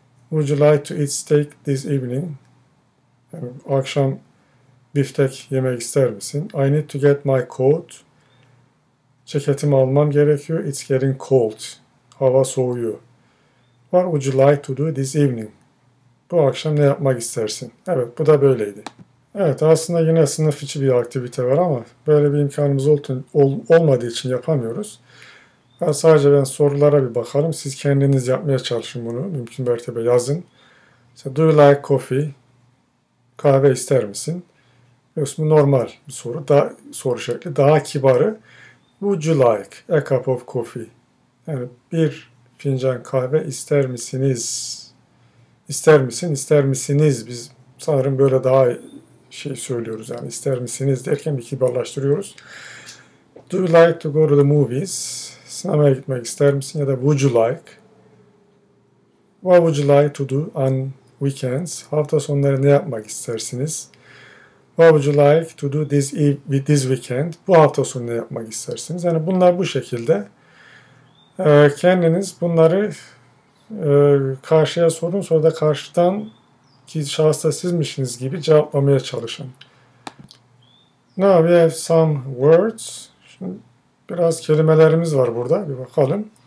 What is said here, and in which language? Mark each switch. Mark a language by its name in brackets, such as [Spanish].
[English] Would you like to eat steak this evening? [Turkish] Yani akşam biftek yemek ister misin? [English] I need to get my coat. [Turkish] Ceketimi almam gerekiyor. [English] It's getting cold. [Turkish] Hava soğuyor. [English] What would you like to do this evening? [Turkish] Bu akşam ne yapmak istersin? Evet, bu da böyleydi. Evet, aslında yine sınıf içi bir aktivite var ama böyle bir imkanımız olmadığı için yapamıyoruz. Sadece ben sorulara bir bakarım. Siz kendiniz yapmaya çalışın bunu. Mümkün mertebe yazın. [English] So, do you like coffee? [Turkish] Kahve ister misin? Bu normal bir soru. Soru şekli. Daha kibarı. [English] Would you like a cup of coffee? [Turkish] Yani bir fincan kahve ister misiniz? İster misin? İster misiniz? Biz sanırım böyle daha şey söylüyoruz yani. İster misiniz derken bir kibarlaştırıyoruz. [English] Do you like to go to the movies? [Turkish] Sinemaya gitmek ister misin? Ya da [English] would you like? What would you like to do on weekends? [Turkish] Hafta sonları ne yapmak istersiniz? [English] What would you like to do this weekend? [Turkish] Bu hafta sonu ne yapmak istersiniz? Yani bunlar bu şekilde. Kendiniz bunları karşıya sorun, sonra da karşıdan ki şahısta sizmişsiniz gibi cevaplamaya çalışın. [English] Now we have some words. [Turkish] Şimdi biraz kelimelerimiz var burada. Bir bakalım.